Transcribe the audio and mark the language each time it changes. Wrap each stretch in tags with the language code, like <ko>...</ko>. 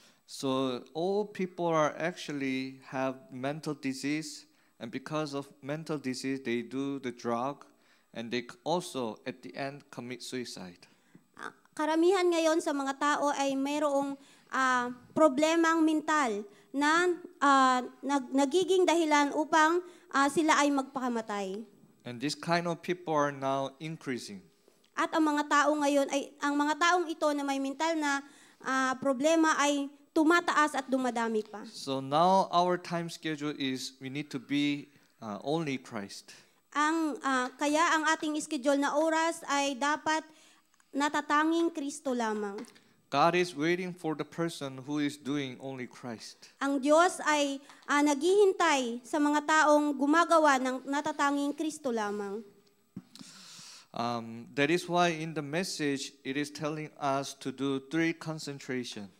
<en>So all people are actually have mental disease. And because of mental disease, they do the drug, and they also, at the end, commit suicide.</en> <tl>Karamihan ngayon sa mga tao ay mayroong problemang mental na nagiging dahilan upang sila ay magpakamatay.</tl> <en>And this kind of people are now increasing.</en> <tl>At ang mga tao ngayon ay ang mga taong ito na may mental na problema ay tumataas at dumadami pa.</tl> <en>So now our time schedule is we need to be only Christ.</en> <tl>Kaya ang ating schedule na oras ay dapat natatanging Kristo lamang.</tl> <en>God is waiting for the person who is doing only Christ.</en> <tl>Ang Diyos ay naghihintay sa mga taong gumagawa ng natatanging Kristo lamang.</tl> <en>That is why in the message it is telling us to do three concentrations.</en>